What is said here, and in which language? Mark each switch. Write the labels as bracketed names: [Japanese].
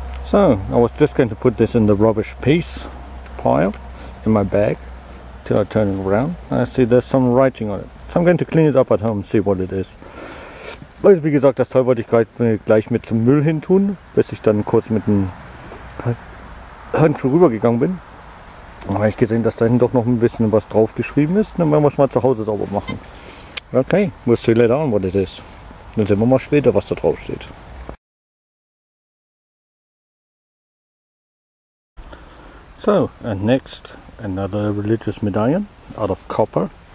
[English] So, I was just going to put this in the rubbish piece pile in my bag. Till I turn it around, I see there's some writing on it. So I'm going to clean it up at home and see what it is. [German] Weil, wie gesagt, das Teil wollte ich gleich mit zum Müll hin tun, bis ich dann kurz mit dem Handschuh rübergegangen bin. Da habe ich gesehen, dass da hinten doch noch ein bisschen was drauf geschrieben ist. Dann werden wir es mal zu Hause sauber machen. [English] Okay, we'll see later on what it is. [German] Dann sehen wir mal später, was da drauf steht. [English] So, and next, another religious medallion out of copper.